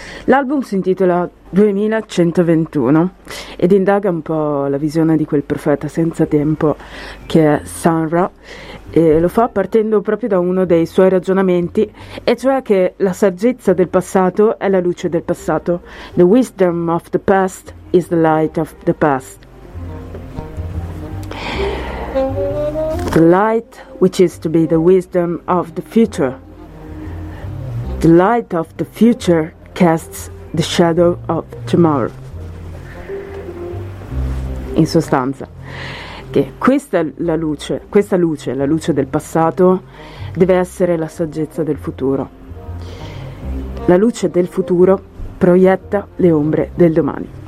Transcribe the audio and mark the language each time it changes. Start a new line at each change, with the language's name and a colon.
Italian: L'album si intitola 2121 ed indaga un po' la visione di quel profeta senza tempo che è Sun Ra, e lo fa partendo proprio da uno dei suoi ragionamenti, e cioè che la saggezza del passato è la luce del passato.
English: The wisdom of the past is the light of the past. The light which is to be the wisdom of the future. The light of the future casts the shadow of tomorrow.
Italian: In sostanza, che questa è la luce, la luce del passato, deve essere la saggezza del futuro. La luce del futuro proietta le ombre del domani.